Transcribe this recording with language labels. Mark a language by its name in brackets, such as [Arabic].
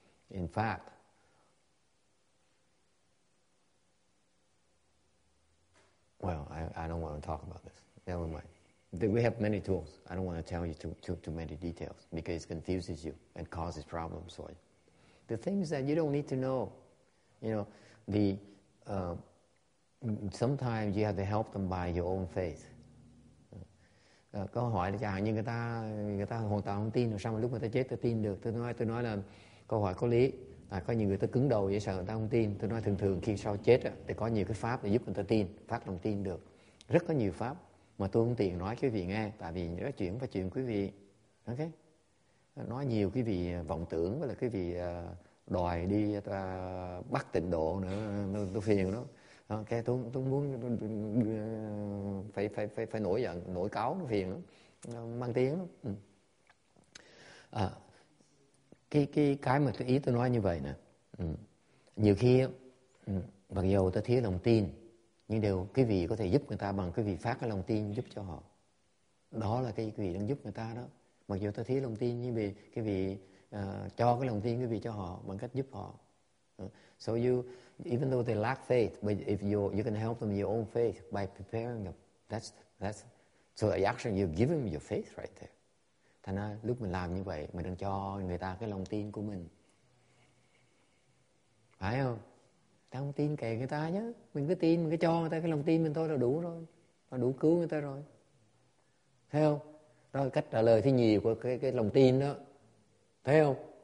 [English] In fact, well, I don't want to talk about this. Never mind. We have many tools. I don't want to tell you too many details because it confuses you and causes problems for you. The things that you don't need to know, sometimes you have to help them by your own faith. [Vietnamese] Câu hỏi là chẳng hạn như người ta hoàn toàn không tin, rồi sao mà lúc người ta chết tôi tin được? Tôi nói là câu hỏi có lý. Có nhiều người ta cứng đầu vậy, sợ người ta không tin. Tôi nói thường thường khi sau chết thì có nhiều cái pháp để giúp người ta tin, phát lòng tin được. Rất có nhiều pháp mà tôi không tiện nói cho quý vị nghe, tại vì nó chuyển qua chuyện quý vị. Ok, nói nhiều quý vị vọng tưởng, với là quý vị đòi đi bắt tịnh độ nữa, tôi phiền lắm. Ok, tôi muốn phải nổi giận, nổi cáu, nó phiền lắm, mang tiếng lắm. Cái mà ý tôi nói như vậy nè, nhiều khi mặc dù ta thiếu lòng tin, nhưng đều quý vị có thể giúp người ta bằng quý vị phát cái lòng tin giúp cho họ. Đó là cái quý vị đang giúp người ta đó. Mặc dù ta thiếu lòng tin, nhưng vì quý vị cho cái lòng tin quý vị cho họ bằng cách giúp họ. [English] So you, even though they lack faith, but if you can help them with your own faith by preparing them, that's so actually you're giving them your faith right there. [Vietnamese] Thành ra lúc mình làm như vậy, mình đang cho người ta cái lòng tin của mình. Phải không? Ta không tin kệ người ta nhé. Mình cứ tin, mình cứ cho người ta cái lòng tin mình thôi là đủ rồi. Là đủ cứu người ta rồi. Thấy không? Đó là cách trả lời thứ nhì của cái lòng tin đó. Thấy không?